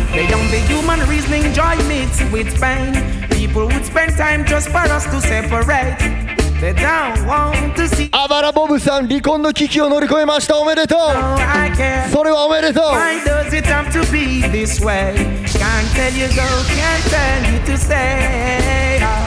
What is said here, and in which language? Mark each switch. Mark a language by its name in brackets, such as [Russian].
[English] Beyond the human reasoning, joy meets with pain. People would spend time just for us to separateThey don't want to see. [Japanese] アバラボブさん、離婚の危機を乗り越えました。おめでとう。それはおめでとう。 [English] Why does it have to be this way? Can't tell you go, can't tell you to stay.